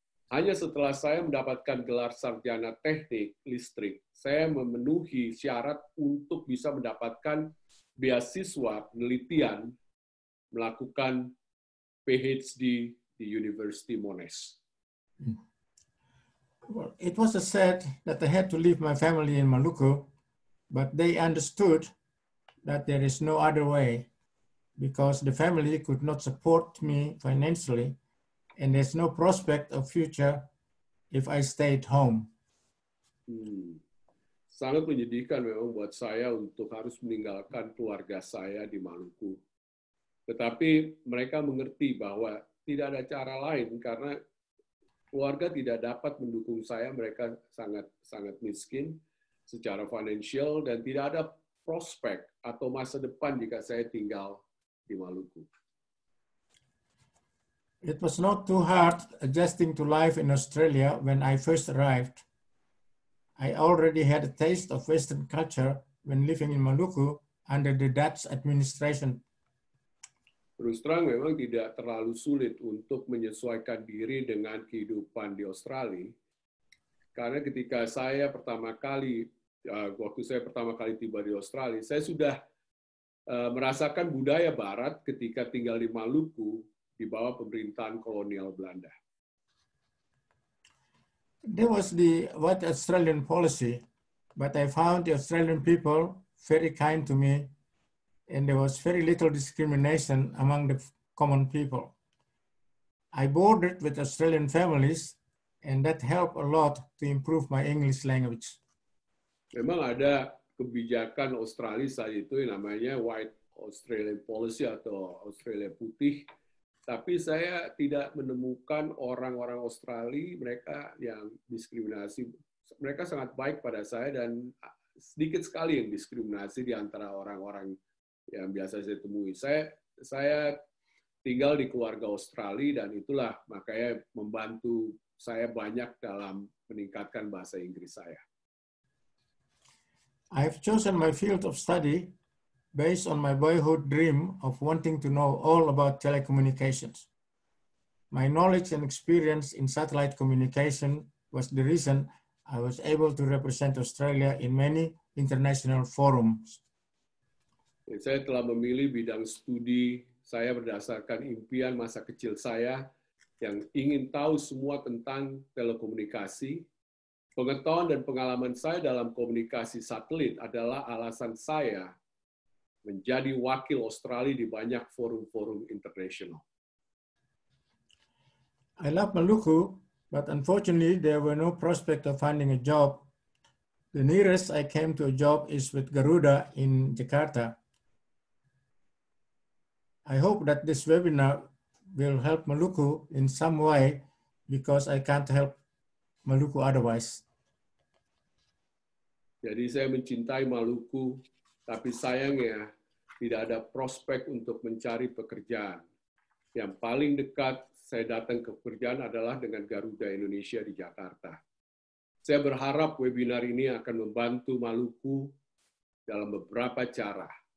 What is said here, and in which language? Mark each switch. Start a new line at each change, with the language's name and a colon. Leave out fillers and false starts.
Indonesian: Hanya setelah saya mendapatkan gelar sarjana teknik listrik, saya memenuhi syarat untuk bisa mendapatkan beasiswa penelitian melakukan PhD di University Monash.
English: Well, it was said that I had to leave my family in Maluku, but they understood that there is no other way because the family could not support me financially and there's no prospect of future if I stayed home.
Indonesian: Sangat menyedihkan memang buat saya untuk harus meninggalkan keluarga saya di Maluku. Tetapi mereka mengerti bahwa tidak ada cara lain karena keluarga tidak dapat mendukung saya, mereka sangat sangat miskin secara financial dan tidak ada prospek atau masa depan jika saya tinggal di Maluku.
English: It was not too hard adjusting to life in Australia when I first arrived. I already had a taste of Western culture when living in Maluku under the Dutch administration.
Indonesian: Terus terang memang tidak terlalu sulit untuk menyesuaikan diri dengan kehidupan di Australia. Karena ketika saya pertama kali, waktu saya pertama kali tiba di Australia, saya sudah merasakan budaya Barat ketika tinggal di Maluku di bawah pemerintahan kolonial Belanda.
English: There was the white Australian policy, but I found the Australian people very kind to me and there was very little discrimination among the common people. I boarded with Australian families and that helped a lot to improve my English language.
Indonesian: Memang ada kebijakan Australia saat itu yang namanya
English: white Australian policy
Indonesian: atau Australia putih. Tapi saya tidak menemukan orang-orang Australia mereka yang diskriminasi. Mereka sangat baik pada saya dan sedikit sekali yang diskriminasi di antara orang-orang yang biasa saya temui. Saya tinggal di keluarga Australia dan itulah makanya membantu saya banyak dalam meningkatkan bahasa Inggris saya.
English: I have chosen my field of study based on my boyhood dream of wanting to know all about telecommunications. My knowledge and experience in satellite communication was the reason I was able to represent Australia in many international forums.
Indonesian: Saya telah memilih bidang studi saya berdasarkan impian masa kecil saya yang ingin tahu semua tentang telekomunikasi. Pengetahuan dan pengalaman saya dalam komunikasi satelit adalah alasan saya menjadi wakil Australia di banyak forum-forum internasional.
English: I love Maluku, but unfortunately there were no prospect of finding a job. The nearest I came to a job is with Garuda in Jakarta. I hope that this webinar will help Maluku in some way because I can't help Maluku otherwise.
Indonesian: Jadi saya mencintai Maluku, tapi sayangnya tidak ada prospek untuk mencari pekerjaan. Yang paling dekat saya datang ke pekerjaan adalah dengan Garuda Indonesia di Jakarta. Saya berharap webinar ini akan membantu Maluku dalam beberapa cara.